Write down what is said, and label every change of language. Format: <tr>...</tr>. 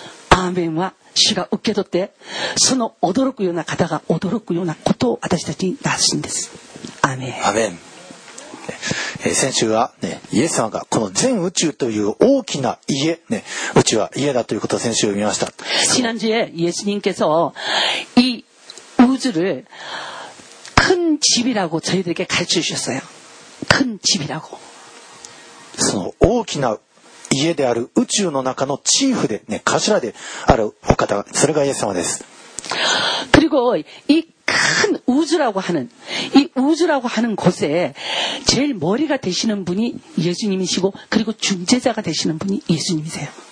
<ja>アーメンは主が受け取ってその驚くような方が驚くようなことを私たちに出すんです。アーメン。アーメン。先週は、ね、イエス様がこの全宇宙という大きな家、ね、宇宙は家だということを先週見ました。</ja> <ko>지난주에イエス님께서이우주를큰집이라고저희들에게가르쳐주셨어요큰집이라고</ko> <ja>その大きな家である宇宙の中のチーフで、ね、頭であるお方それがイエス様です</ja> <ko>그리고이큰우주라고하는이우주라고하는곳에제일머리가되시는분이예수님이시고그리고중재자가되시는분이예수님이세요</ko>